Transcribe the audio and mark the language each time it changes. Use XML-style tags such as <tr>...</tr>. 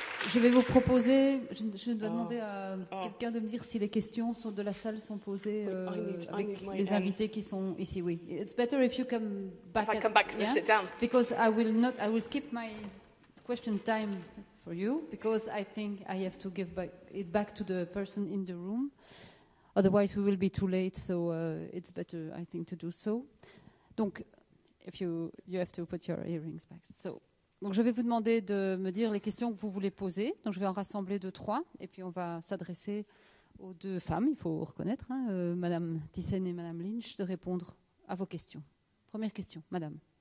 <fr>Je vais vous proposer, je dois demander à quelqu'un de me dire si les questions de la salle sont posées avec les invités qui sont ici.</fr> <en>Oui. It's better if you come back. If I come back, can you sit down? Because I will skip my question time for you, because I think I have to give it back to the person in the room. Otherwise, we will be too late, so it's better, I think, to do so. Donc, if you have to put your earrings back, so...</en> <fr>Donc je vais vous demander de me dire les questions que vous voulez poser. Donc je vais en rassembler deux, trois, et puis on va s'adresser aux deux femmes, il faut reconnaître, hein, Madame Thyssen et Madame Lynch, de répondre à vos questions. Première question, Madame.</fr>